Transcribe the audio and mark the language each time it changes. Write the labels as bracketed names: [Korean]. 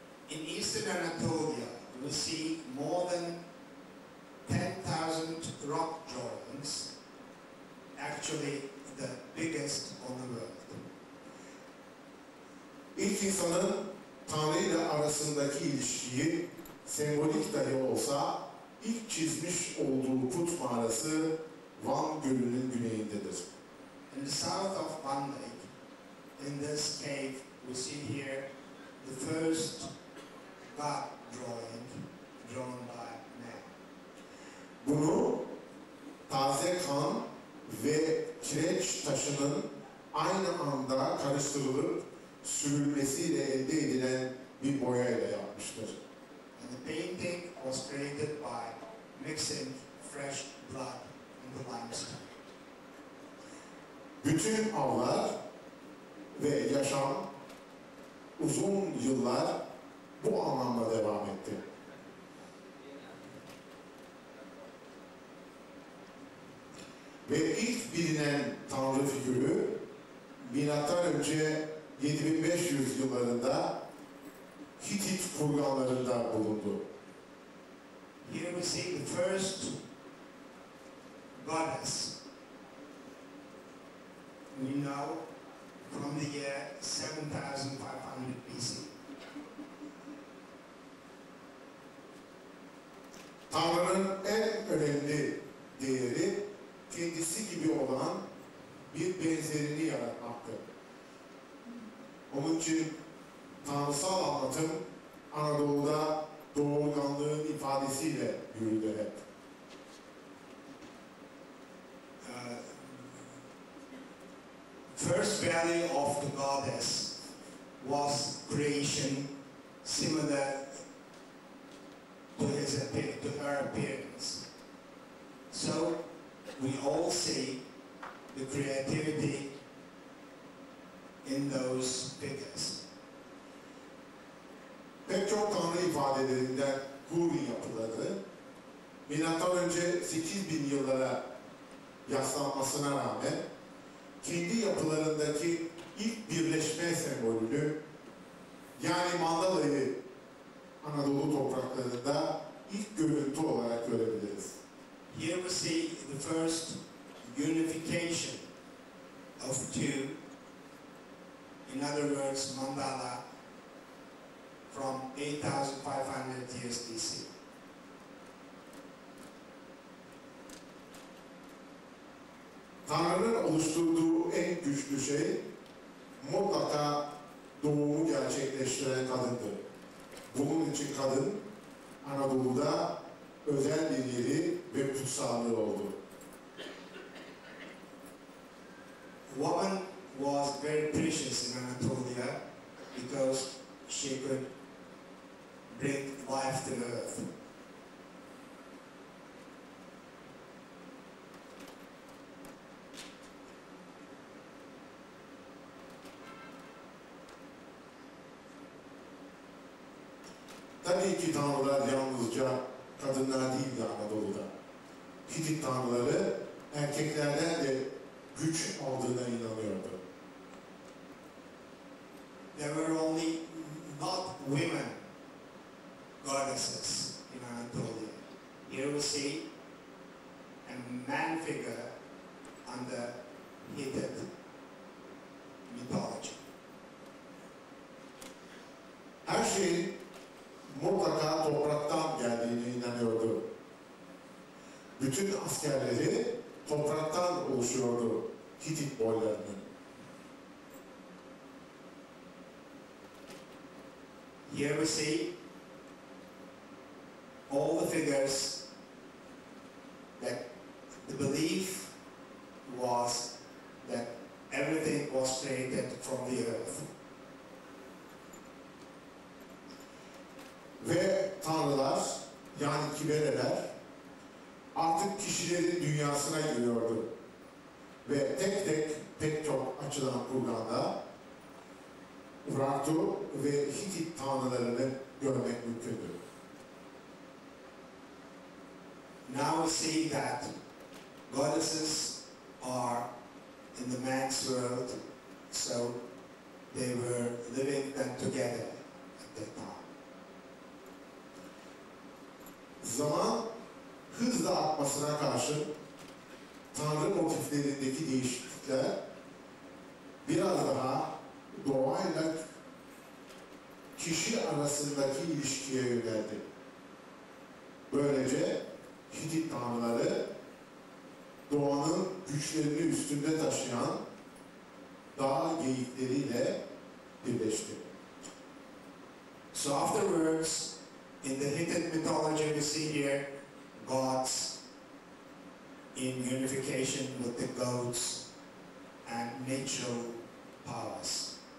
[English] In eastern Anatolia, we see more than 10,000 rock drawings, actually the biggest on the world. [Turkish] İlk insanın Tanrı ile arasındaki ilişkiyi sembolik dahi olsa ilk çizmiş olduğu put mağarası Van Gölü'nün güneyindedir. [English] In the south of Van Lake, in this cave, we see here the first God drawing drawn by man. [Turkish] Bunu taze kan ve kireç taşının aynı anda karıştırılıp sürülmesiyle elde edilen bir boya ile yapmıştır. [English] And the painting was created by mixing fresh blood in the limestone. [Turkish] Bütün avlar ve yaşam uzun yıllar bu anlamda devam etti. Ve ilk bilinen tanrı figürü milattan önce 7500 yıllarında Hitit kurganlarında bulundu. [English] Here we see the first goddess. We know from the year 7500 BC. [Turkish] Tanrı'nın en önemli değeri kendisi gibi olan bir benzerini yaratmaktı. Onun için tanrısal anlatım Anadolu'da doğurganlığın ifadesiyle yürüdü hep. [English] First value of the goddess was creation similar to his appearance, to her appearance. So we all see the creativity in those figures. [Turkish] Pek çok tanrı ifadelerinden Huri yapıları milattan önce 8000 yıllara yaslanmasına rağmen kendi yapılarındaki ilk birleşme sembolünü, yani mandalayı Anadolu topraklarında ilk görüntü olarak görebiliriz. [English] Here we see the first unification of two, in other words, mandala from 8500 years BC. [Turkish] Tanrı'nın oluşturduğu en güçlü şey mutlaka doğumu gerçekleştiren kadındır. Bunun için kadın Anadolu'da özel bir yeri ve kutsallığı oldu. [English] Woman was very precious in Anatolia because she could bring life to earth. [Turkish] Tabii ki tanrılar yalnızca kadınlar değildi Anadolu'da. Hitit tanrıları erkeklerden de güç aldığına inanıyordu. [English] There were only not women goddesses in Anatolia. Here we see a man figure on the Hittit mythology. [Turkish] Her şeyin mutlaka topraktan geldiğine inanıyordu. Bütün askerleri topraktan oluşuyordu Hitit boylarının. [English] Here we see all the figures that the belief was that everything was created from the earth. [Turkish] Ve tanrılar, yani kibereler, artık kişilerin dünyasına giriyordu. Ve tek tek pek çok açıdan kurganda Urartu ve Hitit tanrılarını görmek mümkündü. [English] Now we see that goddesses are in the man's world, so they were living them together at that time. [Turkish] Zaman hızla artmasına karşın tanrı motiflerindeki değişiklikler biraz daha doğayla kişi arasındaki ilişkiye yöneldi. Böylece Hitit tanrıları doğanın güçlerini üstünde taşıyan dağ geyikleriyle birleşti. [English] So afterwards, in the Hittit mythology we see here gods in unification with the goats and natural powers.